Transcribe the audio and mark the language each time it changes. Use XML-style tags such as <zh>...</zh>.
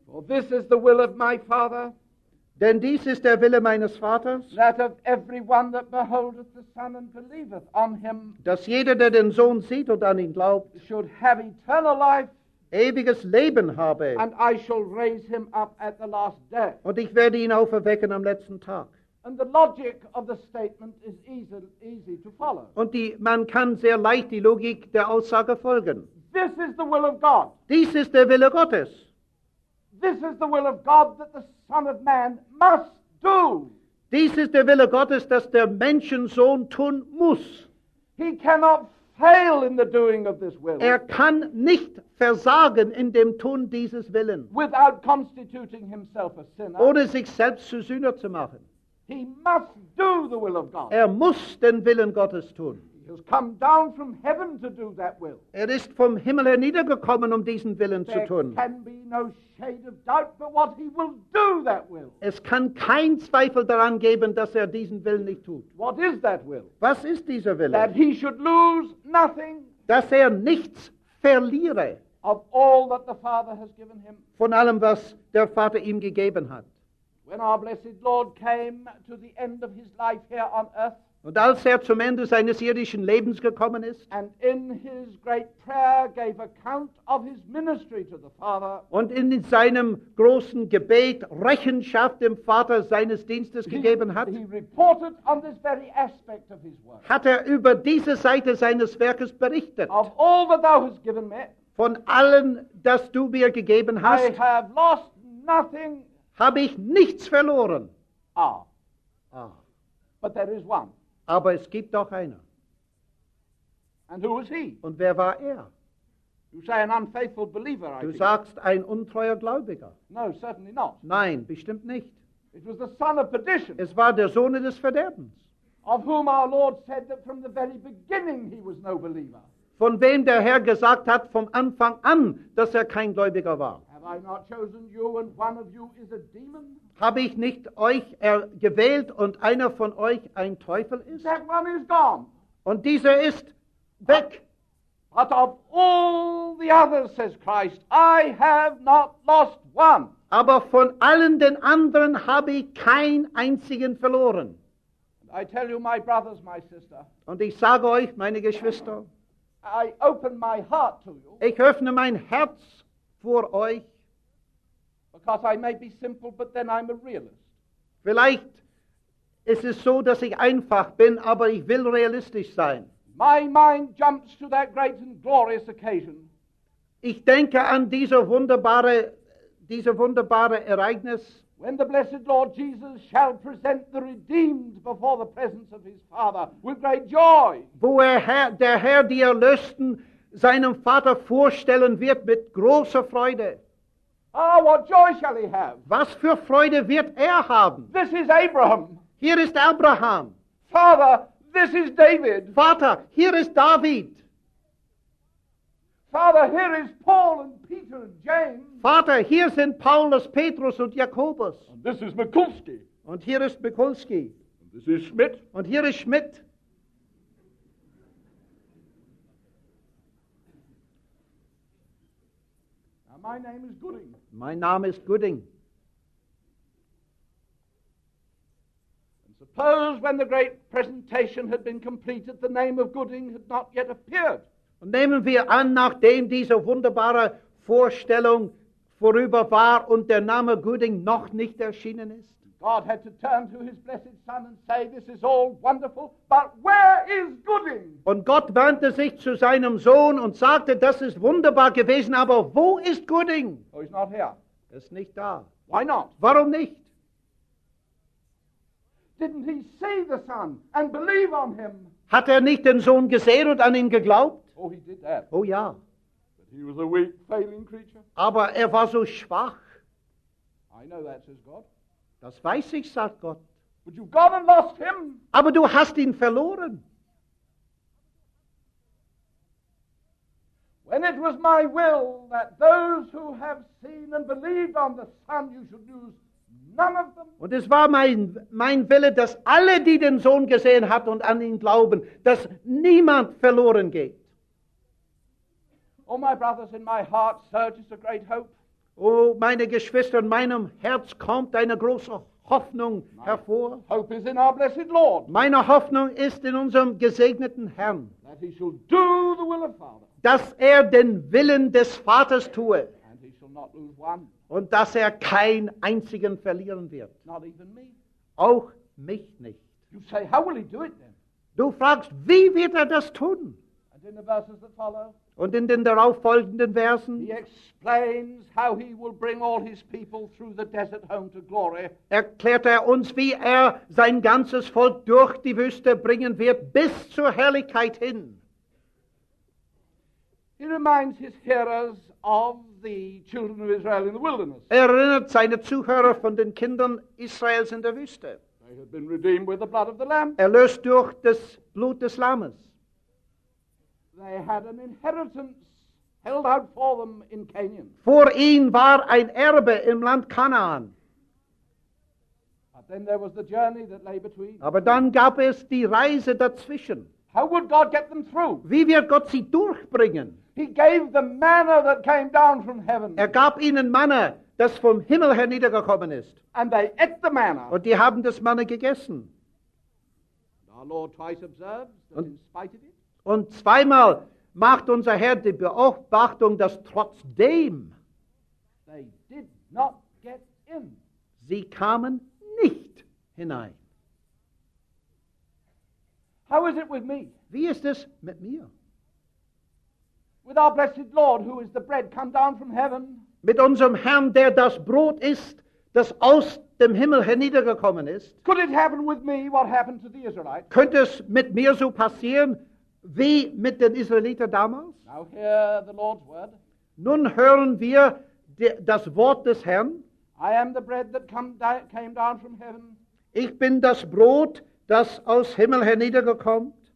<en>For this is the will of my Father.</en> <de>Denn dies ist der Wille meines Vaters,</de> <en>that of everyone that beholdeth the Son and believeth on him,</en> <de>dass jeder, der den Sohn sieht und an ihn glaubt,</de> <en>should have eternal life,</en> <de>ewiges Leben habe,</de> <en>and I shall raise him up at the last day,</en> <de>und ich werde ihn auferwecken am letzten Tag.</de> <en>And the logic of the statement is easy to follow.</en> <de>Und man kann sehr leicht die Logik der Aussage folgen.</de> <en>This is the will of God.</en> <de>Dies ist der Wille Gottes.</de> <en>This is the will of God that the Son of Man must do.</en> <de>Dies ist der Wille Gottes, dass der Menschensohn tun muss.</de> <en>He cannot fail in the doing of this will.</en> <de>Kann nicht versagen in dem Tun dieses Willen.</de> <en>Without constituting himself a sinner.</en> <de>Ohne sich selbst zu Sünder zu machen.</de> <en>He must do the will of God.</en> <de>Muss den Willen Gottes tun.</de> <en>He has come down from heaven to do that will.</en> <de>Ist vom Himmel her niedergekommen, diesen Willen</de> <en>there</en> <de>zu tun.</de> <en>There can be no shade of doubt but what he will do that will.</en> <de>Kann kein Zweifel daran geben, dass diesen Willen nicht tut.</de> <en>What is that will?</en> <de>Was ist dieser Wille?</de> <en>That he should lose nothing,</en> <de>dass nichts verliere,</de> <en>of all that the Father has given him,</en> <de>von allem, was der Vater ihm gegeben hat.</de> <en>When our blessed Lord came to the end of his life here on earth,</en> <de>und als zum Ende seines irdischen Lebens gekommen ist,</de> <en>and in his great prayer gave account of his ministry to the Father,</en> <de>und in seinem großen Gebet Rechenschaft dem Vater seines Dienstes gegeben hat,</de> <en>he reported on this very aspect of his work.</en> <de>Hat über diese Seite seines Werkes berichtet.</de> <en>Of all that thou hast given me,</en> <de>von allem, das du mir gegeben hast,</de> <en>I have lost nothing,</en> <de>habe ich nichts verloren.</de> <en>But there is one.</en> <de>Aber es gibt doch einer.</de> <en>And who is he?</en> <de>Und wer war</de> <en>You say an unfaithful believer,</en> <de>du sagst ein untreuer Gläubiger.</de> <en>No, certainly not.</en> <de>Nein, bestimmt nicht.</de> <en>It was the son of perdition.</en> <de>Es war der Sohn des Verderbens.</de> <en>Of whom our Lord said that from the very beginning he was no believer.</en> <de>Von wem der Herr gesagt hat vom Anfang an, dass kein Gläubiger war.</de> <en>Have I not chosen you and one of you is a demon?</en> <de>Habe ich nicht euch gewählt und einer von euch ein Teufel ist?</de> <en>That one is gone.</en> <de>Und dieser ist weg.</de> <en>But of all the others, says Christ, I have not lost one.</en> <de>Aber von allen den anderen habe ich keinen einzigen verloren.</de> <en>I tell you, my brothers, my sister.</en> <de>Und ich sage euch, meine Geschwister.</de> <en>I open my heart to you.</en> <de>Ich öffne mein Herz vor euch.</de> <en>Because I may be simple, but then I'm a realist.</en> <de>Vielleicht ist es so, dass ich einfach bin, aber ich will realistisch sein.</de> <en>My mind jumps to that great and glorious occasion.</en> <de>Ich denke an diese wunderbare Ereignis.</de> <en>When the blessed Lord Jesus shall present the redeemed before the presence of his Father with great joy.</en> <de>Wo der Herr die Erlösten seinem Vater vorstellen wird mit großer Freude.</de> <en>Ah, what joy shall he have?</en> <de>Was für Freude wird haben?</de> <en>This is Abraham.</en> <de>Hier ist Abraham.</de> <en>Father, this is David.</en> <de>Vater, hier ist David.</de> <en>Father, here is Paul and Peter and James.</en> <de>Vater, hier sind Paulus, Petrus und Jakobus.</de> <en>And this is Mikulski.</en> <de>Und hier ist Mikulski.</de> <en>And this is Schmidt.</en> <de>Und hier ist Schmidt.</de> <en>Now my name is Gooding.</en> <de>Mein Name ist Gooding.</de> <en>Suppose when the great presentation had been completed, the name of Gooding had not yet appeared.</en> <de>Und nehmen wir an, nachdem diese wunderbare Vorstellung vorüber war und der Name Gooding noch nicht erschienen ist.</de> <en>God had to turn to his blessed son and say, this is all wonderful, but where is Gooding?</en> <de>Und Gott wandte sich zu seinem Sohn und sagte, das ist wunderbar gewesen, aber wo ist Gooding?</de> <en>Oh, he's not here.</en> <de>Er ist nicht da.</de> <en>Why not?</en> <de>Warum nicht?</de> <en>Didn't he see the son and believe on him?</en> <de>Hat nicht den Sohn gesehen und an ihn geglaubt?</de> <en>Oh, he did that.</en> <de>Oh, ja.</de> <en>But he was a weak, failing creature.</en> <de>Aber war so schwach.</de> <en>I know that, says God.</en> <de>Das weiß ich, sagt Gott.</de> <en>But you've gone and lost him.</en> <de>Aber du hast ihn verloren.</de> <en>When it was my will that those who have seen and believed on the son you should lose, none of them.</en> <de>Und es war mein Wille, dass alle, die den Sohn gesehen hat und an ihn glauben, dass niemand verloren geht.</de> <en>Oh, my brothers, in my heart surges a great hope.</en> <de>Oh, meine Geschwister, in meinem Herz kommt eine große Hoffnung hervor.</de> <en>Hope is in our blessed Lord.</en> <de>Meine Hoffnung ist in unserem gesegneten Herrn.</de> <en>That he shall do the will of Father.</en> <de>Dass den Willen des Vaters tue.</de> <en>And he shall not lose one.</en> <de>Und dass keinen einzigen verlieren wird.</de> <en>Not even me.</en> <de>Auch mich nicht.</de> <en>You say, how will he do it then?</en> <de>Du fragst, wie wird das tun?</de> <en>And in the verses that follow,</en> <de>und in den darauffolgenden Versen,</de> <en>he explains how he will bring all his people through the desert home to glory.</en> <de>Erklärt uns, wie sein ganzes Volk durch die Wüste bringen wird, bis zur Herrlichkeit hin.</de> <en>He reminds his hearers of the children of Israel in the wilderness.</en> <de>Erinnert seine Zuhörer von den Kindern Israels in der Wüste.</de> <en>They have been redeemed with the blood of the Lamb.</en> <de>Erlöst durch das Blut des Lammes.</de> <en>They had an inheritance held out for them in Canaan.</en> <de>Vor ihnen war ein Erbe im Land Kanaan.</de> <en>But then there was the journey that lay between.</en> <de>Aber dann gab es die Reise dazwischen.</de> <en>How would God get them through?</en> <de>Wie wird Gott sie durchbringen?</de> <en>He gave them manna that came down from heaven.</en> <de>Gab ihnen Manna, das vom Himmel her niedergekommen ist.</de> <en>And they ate the manna.</en> <de>Und die haben das Manna gegessen.</de> <en>And our Lord twice observes that in spite of it.</en> <de>Und zweimal macht unser Herr die Beobachtung, dass trotzdem</de> <en>they did not get in.</en> <de>Sie kamen nicht hinein.</de> <en>How is it with me?</en> <de>Wie ist es mit mir?</de> <en>With our blessed Lord, who is the bread come down from heaven.</en> <de>Mit unserem Herrn, das Brot ist, das aus dem Himmel herniedergekommen ist.</de> <en>Could it happen with me what happened to the Israelites?</en> <de>Könnte es mit mir so passieren, wie mit den Israeliten damals?</de> <en>Now hear the Lord's word.</en> <de>Nun hören wir das Wort des Herrn.</de> <en>I am the bread that came down from heaven.</en> <de>Ich bin das Brot, das aus Himmel herniedergekommen.</de>